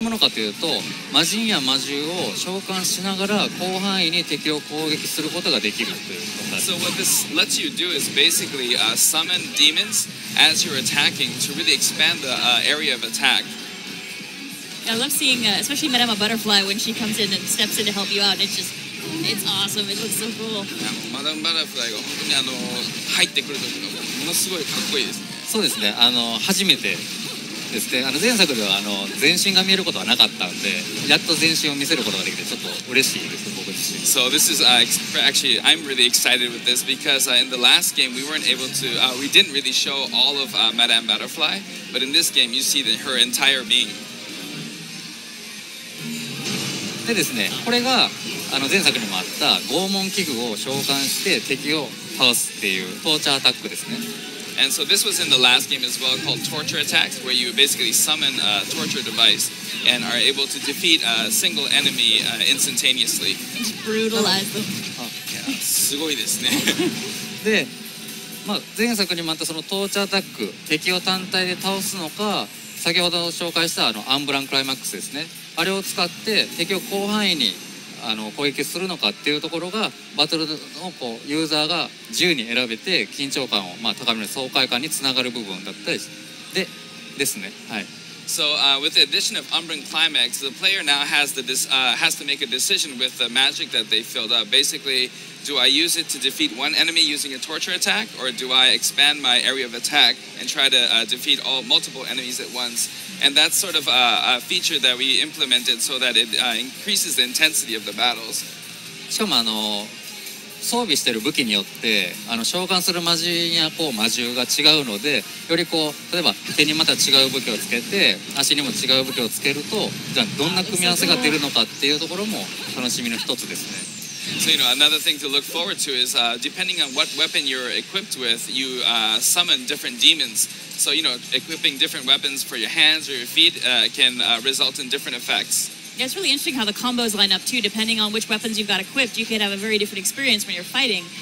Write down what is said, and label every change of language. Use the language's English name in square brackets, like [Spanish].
[Japanese] ものかというと、魔人や魔獣を召喚しながら広範囲に敵を攻撃することができるという。 [English] So what this lets you do is basically summon demons as you're attacking to really expand the area of attack. I love seeing, especially Madama Butterfly when she comes in and steps in to help you out. It's just, it's awesome. It looks so cool. [Japanese] Madama Butterfly が本当に入ってくる時がものすごいかっこいいですね。そうですね。初めて。ですね、前作では全身が見えることはなかったんで、やっと全身を見せることができてちょっと嬉しいです、僕自身。 [English] So this is actually I'm really excited with this because in the last game we weren't able to we didn't really show all of Madame Butterfly, but in this game you see the, her entire being. [Japanese] でですね、これが前作にもあった拷問器具を召喚して敵を倒すっていうトーチャーアタックですね。 [English] And so this was in the last game as well, called Torture Attacks, where you basically summon a torture device and are able to defeat a single enemy instantaneously. Brutalize them. Oh, yeah, [Japanese] すごいですね。で、まあ前作にもあったそのトーチャーアタック、敵を単体で倒すのか、先ほど紹介したアンブランクライマックスですね。あれを使って敵を広範囲に攻撃するのかっていうところが、バトルのこうユーザーが自由に選べて緊張感を、まあ、高める爽快感につながる部分だったりでですね、はい。 [English] So with the addition of Umbran Climax, the player now has the has to make a decision with the magic that they filled up. Basically, do I use it to defeat one enemy using a torture attack, or do I expand my area of attack and try to defeat all multiple enemies at once? And that's sort of a feature that we implemented so that it increases the intensity of the battles. [Japanese] しかも装備している武器によって召喚する魔獣やこう魔獣が違うので、よりこう例えば手にまた違う武器をつけて、足にも違う武器をつけると、じゃあどんな組み合わせが出るのかっていうところも楽しみの一つですね。 [English] So, you know, another thing to look forward to is depending on what weapon you're equipped with, you summon different demons. So, you know, equipping different weapons for your hands or your feet can result in different effects. Yeah, it's really interesting how the combos line up too. Depending on which weapons you've got equipped, you could have a very different experience when you're fighting.